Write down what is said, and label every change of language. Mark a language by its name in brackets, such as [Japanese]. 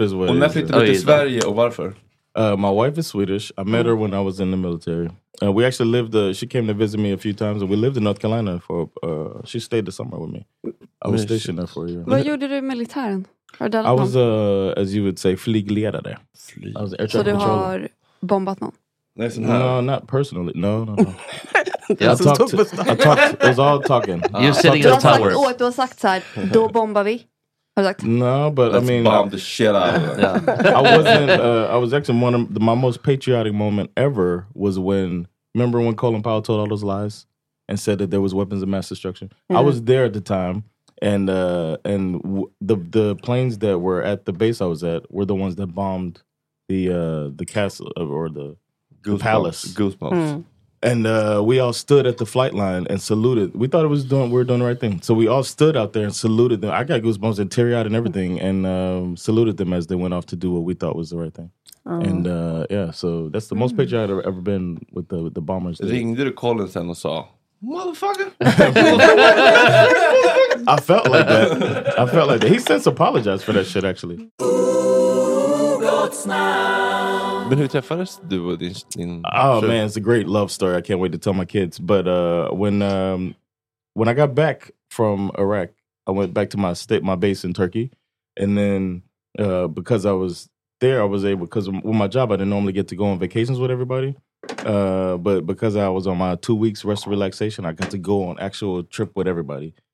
[English] it is. [Swedish] Och när flyttade du till Sverige och varför? [English] My wife is Swedish. I met her when I was in the military. We actually lived, she came to visit me a few times. And we lived in North Carolina for, she stayed the summer with me. I was stationed there for a year. [Swedish] Vad gjorde du i militären? [English] I was, as you would say, flygledare. I was air traffic [Swedish] controller. Så du har bombat någon? [English] No, not personally. No. I talked, it was all talking. You're sitting in the tower. [Swedish] Du har sagt så här, då bombar vi. [English] No, but let's I mean, bomb the shit out of it. I wasn't. I was actually one of the, my most patriotic moment ever was when. Remember when Colin Powell told all those lies and said that there was weapons of mass destruction? Mm-hmm. I was there at the time, and the planes that were at the base I was at were the ones that bombed the castle or the palace. Goosebumps. Mm. And we all stood at the flight line and saluted. We thought it was doing, we were doing the right thing. So we all stood out there and saluted them. I got goosebumps and teary-eyed and everything, and saluted them as they went off to do what we thought was the right thing. Oh. And yeah, so that's the most picture I'd ever been with the bombers. Ring, did a call and send us all. Motherfucker. I felt like that. I felt like that. He since apologized for that shit, actually. [Swedish] Men hur träffades du och din [English] Oh show? Man, it's a great love story. I can't wait to tell my kids. But when I got back from Iraq, I went back to my base in Turkey. And then because I was there, I was able, because with my job, I didn't normally get to go on vacations with everybody. But because I was on my 2 weeks rest and relaxation, I got to go on actual trip with everybody.